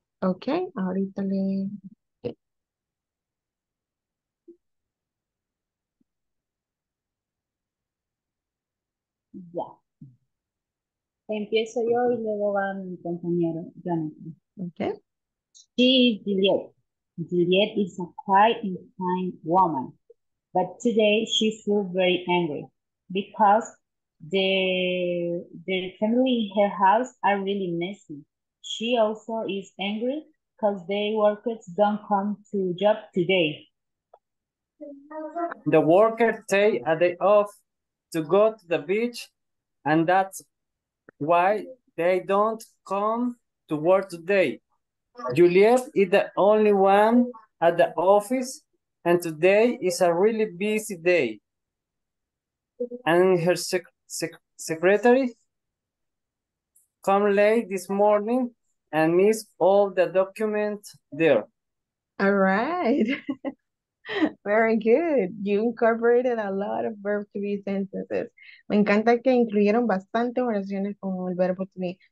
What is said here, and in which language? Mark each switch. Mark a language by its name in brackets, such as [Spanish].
[Spanish] Ok, ahorita le... Empiezo yo y luego va mi compañero, Jonathan. Okay. [English] She is Juliet. Juliet is a quiet and kind woman. But today she feels very angry because The family in her house are really messy. She also is angry because the workers don't come to job today. The workers take a day off to go to the beach, and that's why they don't come to work today. Juliet is the only one at the office, and today is a really busy day. And her secretary come late this morning and missed all the documents there. All right. Very good. You incorporated a lot of verb to be sentences. [Spanish] Me encanta que incluyeron bastantes oraciones con el verbo to be.